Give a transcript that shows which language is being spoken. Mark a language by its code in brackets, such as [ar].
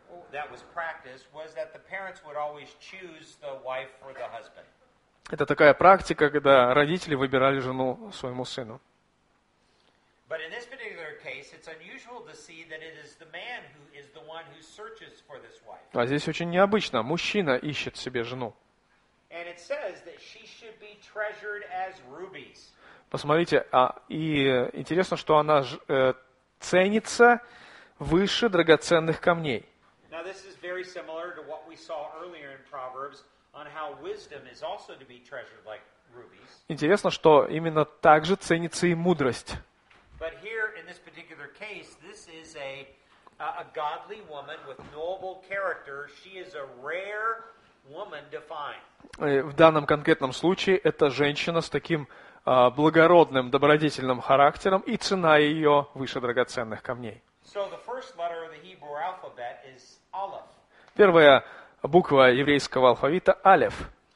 [en] That was practiced was that the parents would always choose the wife for the husband. [ru] Это такая практика, когда родители выбирали жену своему сыну. [en] But in this particular case, it's unusual to see that it is the man who is the one who searches for this wife. [ru] А здесь очень необычно, мужчина ищет себе жену. [en] And it says that she should be treasured as rubies. [ru] Посмотрите, и интересно, что она ценится выше драгоценных камней. [en] Now this is very similar to what we saw earlier in Proverbs on how wisdom is also to be treasured like rubies. [ru] Интересно, что именно так же ценится и мудрость. [en] But here in this particular case, this is a godly woman with noble character. She is a rare woman to find. [ru] В данном конкретном случае это женщина с таким благородным, добродетельным характером, и цена ее выше драгоценных камней. [en] So the first letter of the Hebrew alphabet is [ru] Первая буква еврейского алфавита – Алеф.